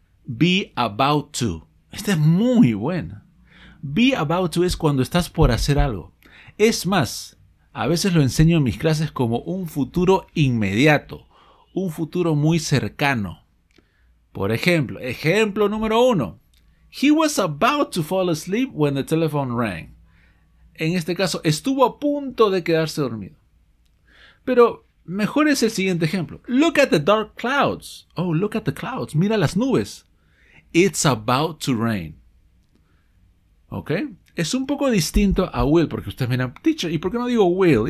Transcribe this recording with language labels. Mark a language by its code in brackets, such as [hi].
[es] Be about to. Esta es muy buena. Be about to es cuando estás por hacer algo. Es más, a veces lo enseño en mis clases como un futuro inmediato, un futuro muy cercano. Por ejemplo, ejemplo número uno. [en] He was about to fall asleep when the telephone rang. [es] En este caso, estuvo a punto de quedarse dormido. Pero mejor es el siguiente ejemplo. [en] Look at the dark clouds. Oh, look at the clouds. [es] Mira las nubes. [en] It's about to rain. ¿Ok? [es] Es un poco distinto a will, porque ustedes me dirán, teacher, ¿y por qué no digo will?